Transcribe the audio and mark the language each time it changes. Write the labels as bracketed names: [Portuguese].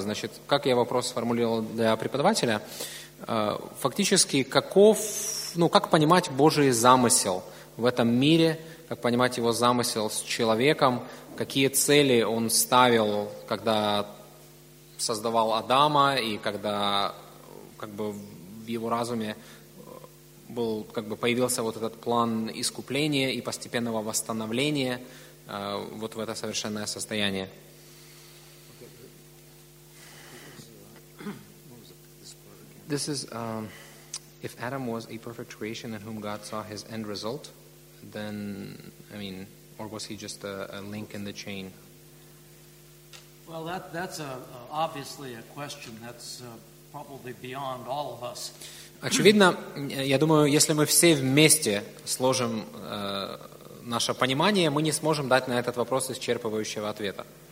[Russian] Значит, как я вопрос сформулировал для преподавателя, фактически, как понимать Божий замысел в этом мире, как понимать его замысел с человеком, какие цели он ставил, когда создавал Адама, и когда как бы, в его разуме был, как бы, появился вот этот план искупления и постепенного восстановления, вот в это совершенное состояние. [English] This is if Adam was a perfect creation in whom God saw his end result, then I mean, or was he just a link in the chain? Well, that's obviously a question that's probably beyond all of us. [Russian] Очевидно, я думаю, если мы все вместе сложим наше понимание, мы не сможем дать на этот вопрос исчерпывающего ответа.